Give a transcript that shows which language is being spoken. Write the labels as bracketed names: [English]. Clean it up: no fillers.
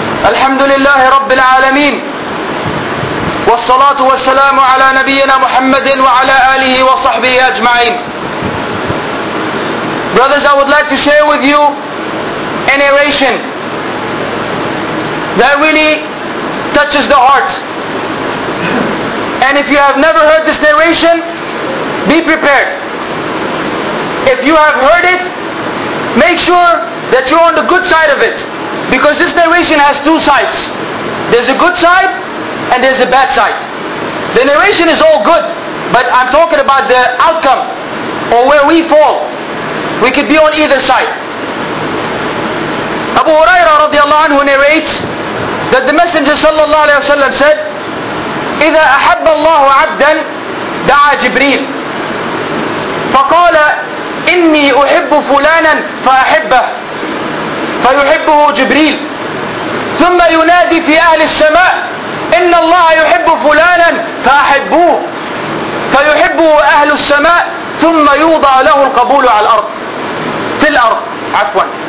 [Arabic] الحمد لله رب العالمين والصلاة والسلام على نبينا محمد وعلى آله وصحبه أجمعين. [English] Brothers, I would like to share with you a narration that really touches the heart. And if you have never heard this narration, be prepared. If you have heard it, make sure that you're on the good side of it. Because this narration has two sides. There's a good side and there's a bad side. The narration is all good, but I'm talking about the outcome or where we fall. We could be on either side. Abu Hurairah radiallahu anhu narrates that the Messenger sallallahu alayhi wa sallam said, [Arabic] إِذَا أَحَبَّ اللَّهُ عَبْدًا دَعَى جِبْرِيلٍ فَقَالَ إِنِّي أُحِبُّ فُلَانًا فَأَحِبَّهُ فَيُحِبُّهُ جِبْرِيلٌ ثُمَّ يُنَادِي فِي أَهْلِ السَّمَاءِ إِنَّ اللَّهَ يُحِبُّ فُلَانًا فَأَحِبُّوهُ فَيُحِبُّهُ أَهْلُ السَّمَاءِ ثُمَّ يُوضَعَ لَهُ الْقَبُولُ عَلَى الْأَرْضِ فِي الْأَرْضِ عَفْوًا.